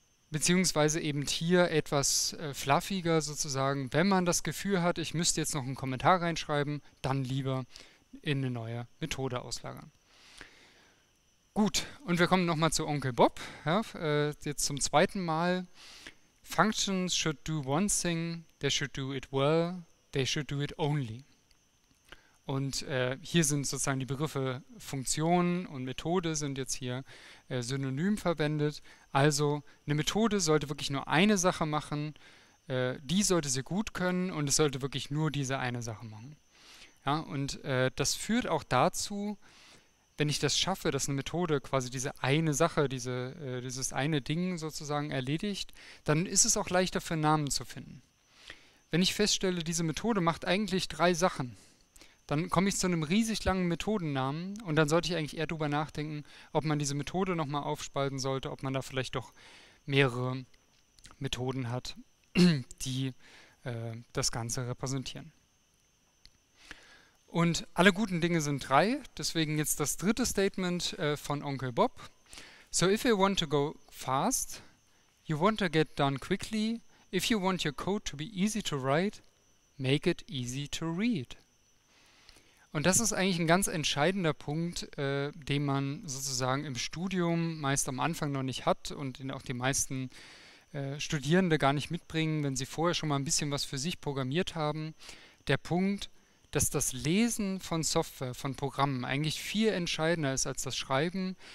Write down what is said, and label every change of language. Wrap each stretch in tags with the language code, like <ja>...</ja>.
<de>Beziehungsweise eben hier etwas fluffiger sozusagen, wenn man das Gefühl hat, ich müsste jetzt noch einen Kommentar reinschreiben, dann lieber in eine neue Methode auslagern. Gut, und wir kommen nochmal zu Onkel Bob, ja, jetzt zum zweiten Mal.</de> <en>Functions should do one thing, they should do it well, they should do it only.</en> <de>Und hier sind sozusagen die Begriffe Funktion und Methode sind jetzt hier synonym verwendet. Also eine Methode sollte wirklich nur eine Sache machen, die sollte sie gut können und es sollte wirklich nur diese eine Sache machen. Ja, und das führt auch dazu, wenn ich das schaffe, dass eine Methode quasi diese eine Sache, dieses eine Ding sozusagen erledigt, dann ist es auch leichter für einen Namen zu finden. Wenn ich feststelle, diese Methode macht eigentlich drei Sachen, dann komme ich zu einem riesig langen Methodennamen und dann sollte ich eigentlich eher darüber nachdenken, ob man diese Methode nochmal aufspalten sollte, ob man da vielleicht doch mehrere Methoden hat, die das Ganze repräsentieren. Und alle guten Dinge sind drei, deswegen jetzt das dritte Statement von Onkel Bob.</de> <en>So if you want to go fast, you want to get done quickly, if you want your code to be easy to write, make it easy to read.</en> <de>Und das ist eigentlich ein ganz entscheidender Punkt, den man sozusagen im Studium meist am Anfang noch nicht hat und den auch die meisten Studierende gar nicht mitbringen, wenn sie vorher schon mal ein bisschen was für sich programmiert haben. Der Punkt, dass das Lesen von Software, von Programmen eigentlich viel entscheidender ist als das Schreiben.</de>